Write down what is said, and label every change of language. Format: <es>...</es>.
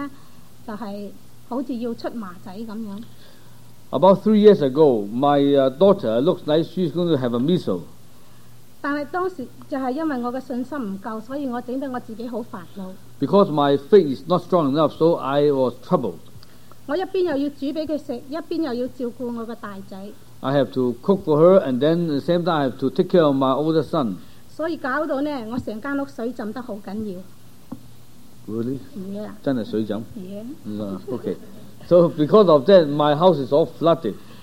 <zh>大約在三年前,因為那時候,我的女兒就像要出麻疹一樣。</zh> <en>About 3 years ago, my daughter looks like she's going to have a measles.</en> <zh>但是当时就是因为我的信心不够,所以我整得我自己很烦恼。</zh> <en>Because my faith is not strong enough, so I was troubled.</en> <zh>我一边又要煮给她吃,一边又要照顾我的大仔。</zh> <en>I have to cook for her, and then at the same time, I have to take care of my older son.</en> <zh>所以搞到呢,我整间屋水浸得很紧要。</zh> <en>Really? Yeah.</en> <zh>真的水浸?</zh> <en>Yeah. Okay. So because of that, my house is all flooded.</en>